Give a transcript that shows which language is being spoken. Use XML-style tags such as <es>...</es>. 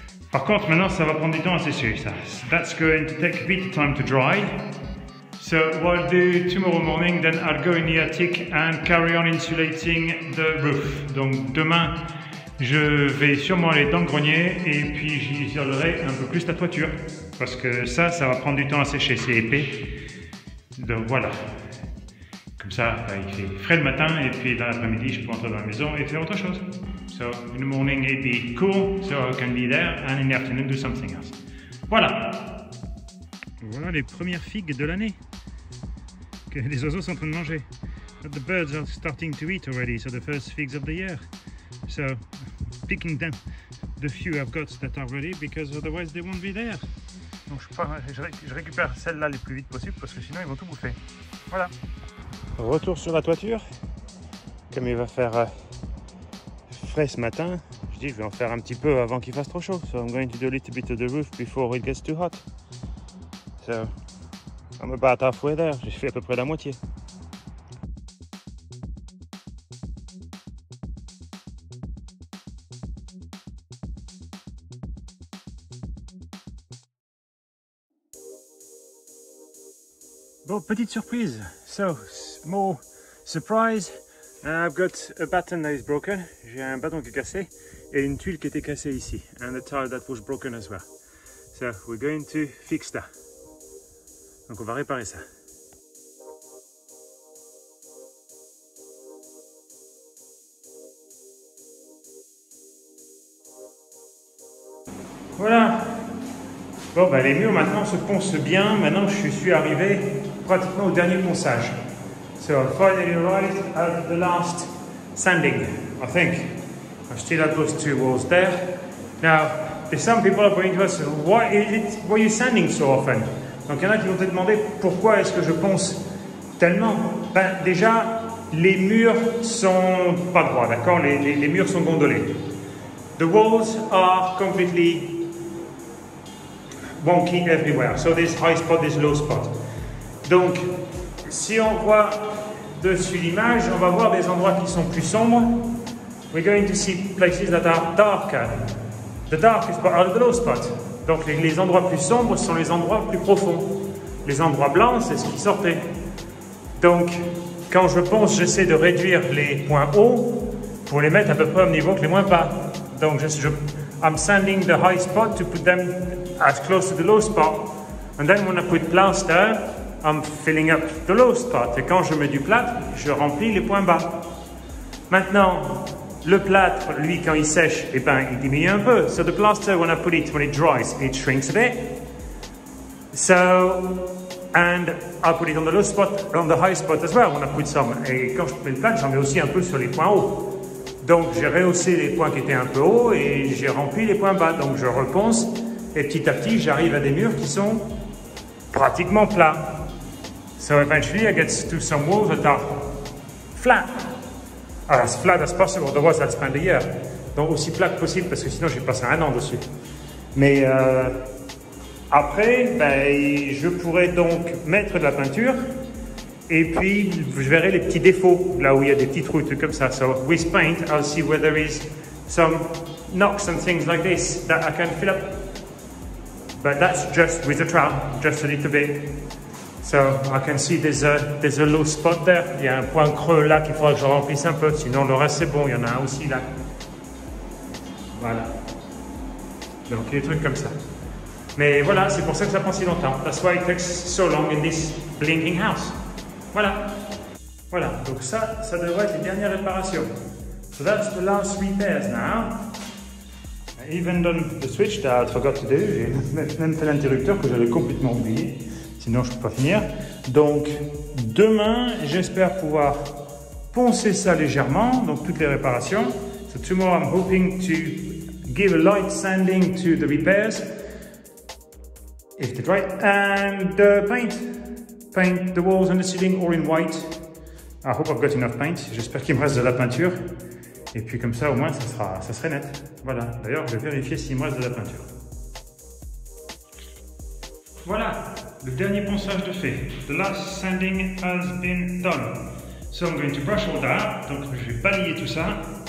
<fr>Par contre, maintenant ça va prendre du temps à sécher ça.</fr> <en>So that's going to take a bit of time to dry. So what I'll do tomorrow morning, then I'll go in the attic and carry on insulating the roof.</en> <fr>Donc demain, je vais sûrement aller dans le grenier et puis j'isolerai un peu plus la toiture. Parce que ça va prendre du temps à sécher, c'est épais. Donc voilà. Comme ça, bah, il fait frais le matin et puis dans l'après-midi, je peux rentrer dans la maison et faire autre chose.</fr> <en>So in the morning, it'd be cool, so I can be there and in the afternoon, do something else.</en> <fr>Voilà. Voilà les premières figues de l'année que les oiseaux sont en train de manger.</fr> <en>But the birds are starting to eat already, so the first figs of the year. So picking them, the few I've got that are ready, because otherwise they won't be there.</en> <fr>Donc je récupère celles-là les plus vite possible parce que sinon ils vont tout bouffer. Voilà. Retour sur la toiture. Comme il va faire frais ce matin, je dis je vais en faire un petit peu avant qu'il fasse trop chaud.</fr> <en>So I'm going to do a little bit of the roof before it gets too hot. So, I'm about halfway there.</en> <fr>J'ai fait à peu près la moitié. Bon, petite surprise.</fr> <en>So, small surprise. I've got a baton that is broken.</en> <fr>J'ai un bâton qui est cassé et une tuile qui était cassée ici.</fr> <en>And a tile that was broken as well. So, we're going to fix that.</en> <fr>Donc on va réparer ça. Voilà. Bon, bah les murs maintenant se poncent bien. Maintenant je suis arrivé pratiquement au dernier ponçage.</fr> <en>So I finally arrived at the last sanding, I think. I'm still at those two walls there. Now, there's some people are going to ask, why is it, why are you sanding so often?</en> <fr>Donc il y en a qui vont te demander pourquoi est-ce que je ponce tellement. Ben déjà, les murs sont pas droits, d'accord, les murs sont gondolés.</fr> <en>The walls are completely wonky everywhere. So this high spot, this low spot.</en> <fr>Donc, si on voit dessus l'image, on va voir des endroits qui sont plus sombres.</fr> <en>We're going to see places that are darker. The darkest part are the low spot.</en> <fr>Donc les endroits plus sombres sont les endroits plus profonds. Les endroits blancs, c'est ce qui sortait. Donc, quand je ponce, j'essaie de réduire les points hauts pour les mettre à peu près au même niveau que les points bas.</fr> <en>Donc, I'm sanding the high spot to put them as close to the low spot. And then when I put plaster, I'm filling up the low spot.</en> <fr>Et quand je mets du plâtre, je remplis les points bas. Maintenant, le plâtre, lui, quand il sèche, eh ben, il diminue un peu.</fr> <en>So the plaster, when I put it, when it dries, it shrinks a bit. So, and I put it on the low spot, on the high spot as well, when I put some.</en> <fr>Et quand je mets le plâtre, j'en mets aussi un peu sur les points hauts. Donc, j'ai rehaussé les points qui étaient un peu hauts et j'ai rempli les points bas. Donc, je reponce et petit à petit, j'arrive à des murs qui sont pratiquement plats.</fr> <en>So, eventually, I get to some walls that are flat. As flat as possible, otherwise I'd spend a year.</en> <fr>Donc, aussi plat que possible, parce que sinon, j'ai passé un an dessus. Mais après, ben, je pourrais donc mettre de la peinture. Et puis, je verrai les petits défauts, là où il y a des petits trous, tout comme ça.</fr> <en>So, with paint, I'll see where there is some knocks and things like this that I can fill up. But that's just with a trowel, just a little bit. So, I can see there's a low spot there.</en> <fr>Il y a un point creux là qu'il faudra que je remplisse un peu, sinon le reste c'est bon, il y en a un aussi là. Voilà. Donc, des trucs comme ça. Mais voilà, c'est pour ça que ça prend si longtemps.</fr> <en>That's why it takes so long in this blinking house.</en> <fr>Voilà. Voilà, donc ça, ça devrait être les dernières réparations.</fr> <en>So that's the last repairs now. I even done the switch that I forgot to do.</en> <fr>J'ai même fait l'interrupteur que j'avais complètement oublié. Sinon, je ne peux pas finir. Donc, demain, j'espère pouvoir poncer ça légèrement. Donc, toutes les réparations.</fr> <en>So tomorrow, I'm hoping to give a light sanding to the repairs. If they're right. And paint. Paint the walls and the ceiling all in white. I hope I've got enough paint.</en> <fr>J'espère qu'il me reste de la peinture. Et puis comme ça, au moins, ça serait net. Voilà. D'ailleurs, je vais vérifier s'il me reste de la peinture. Voilà. Le dernier ponçage de fait.</fr> <en>The last sanding has been done. So I'm going to brush all that.</en> <fr>Donc, je vais balayer tout ça.</fr>